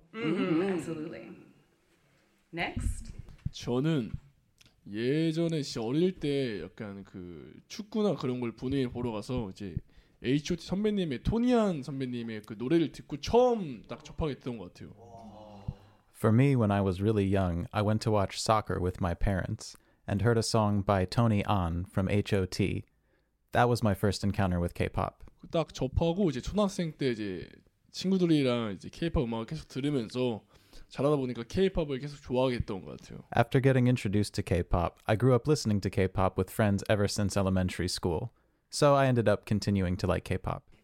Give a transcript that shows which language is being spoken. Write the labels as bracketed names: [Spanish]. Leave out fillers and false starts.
[English] Mm-hmm, absolutely. Next. [Korean] 저는 예전에 씨 어릴 때 약간 그 축구나 그런 걸 분위기 보러 가서 이제 H.O.T 선배님의 토니안 선배님의 그 노래를 듣고 처음 딱 접하게 됐던 것 같아요. [English] For me, when I was really young, I went to watch soccer with my parents and heard a song by Tony An from H.O.T. That was my first encounter with K-pop. [Korean] 딱 접하고 이제 초등학생 때 이제 친구들이랑 이제 K-pop 음악을 계속 들으면서 잘하다 보니까 K-pop을 계속 좋아하게 했던 것 같아요. [English] After getting introduced to K-pop, I grew up listening to K-pop with friends ever since elementary school. So I ended up continuing to like K-pop.